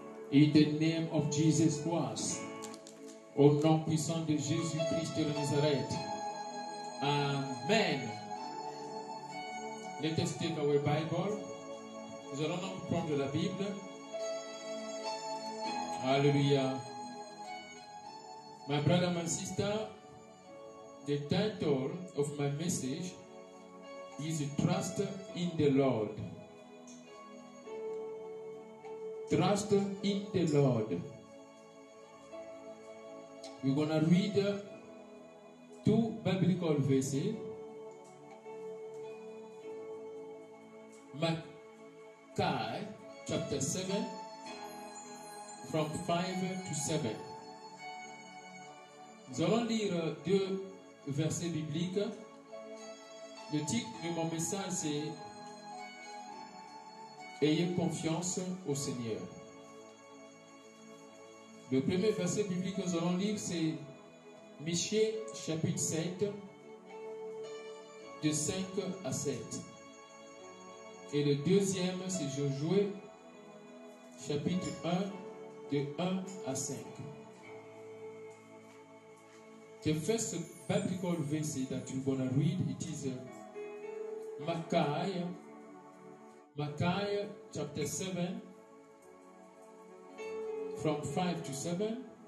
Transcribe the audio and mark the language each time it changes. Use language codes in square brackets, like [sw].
[en] In the name of Jesus Christ, [fr] au nom puissant de Jésus Christ de Nazareth. [en] Amen. Let us take our Bible. [fr] Nous allons donc prendre la Bible. Alléluia. [en] My brother, my sister, the title of my message is Trust in the Lord. Trust in the Lord. We're going to read two biblical verses. Malachi chapter 7 from 5 to 7. [fr] Nous allons lire deux versets bibliques. Le titre de mon message c'est Ayez confiance au Seigneur. Le premier verset biblique que nous allons lire c'est Michée chapitre 7 de 5 à 7. Et le deuxième, c'est Josué, chapitre 1, de 1 à 5. [en] The first biblical verse that you're going to read, it is Malachi, chapter 7, from 5 to 7.